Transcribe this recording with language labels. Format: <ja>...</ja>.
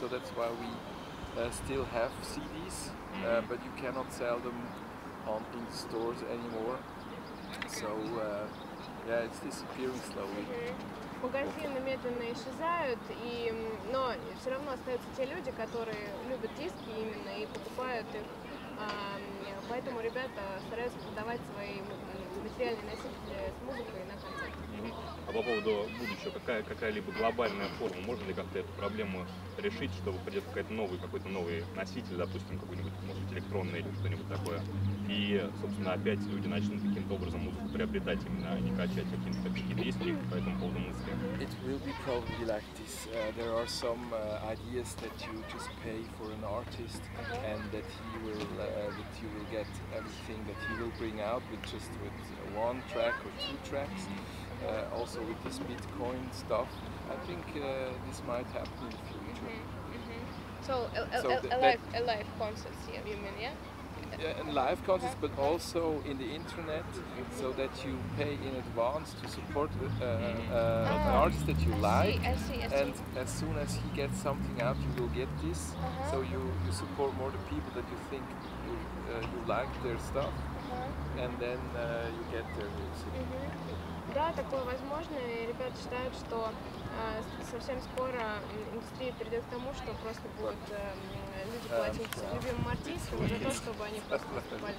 <en>So that's why we still have CDs, mm-hmm. But you cannot sell them in the stores anymore. So yeah, it's disappearing slowly.</en> <ru>Магазины медленно исчезают, но все равно остаются те люди, которые любят диски именно и покупают их. Поэтому ребята стараются продавать свои материальные носители с музыкой на концерт. А по поводу будущего, какая-либо глобальная форма, можно ли как-то эту проблему решить, чтобы придет какой-то новый носитель, допустим, какой-нибудь, может быть, электронный или что-нибудь такое, и, собственно, опять люди начнут каким-то образом музыку приобретать именно, а не качать какие-то диски по этому поводу музыки?</ru> <en>It will be probably like this. There are some ideas that you just pay for an artist and that he will, that you will get everything that he will bring out with just with one track or two tracks. Also with this Bitcoin stuff, I think this might happen in the future. Mm-hmm. Mm-hmm. So a live concert, yeah, you mean, yeah? in live concerts, but also in the internet, so that you pay in advance to support an artist that you like. I see. And as soon as he gets something out, you will get this. Uh-huh. So you support more the people that you think you like their stuff, uh-huh. And then you get their music.</en> <ru>Да, такое возможно, и ребята считают, что совсем скоро индустрия перейдет к тому, что просто будут люди платить любимым артистам за то, чтобы они просто выступали.</ru>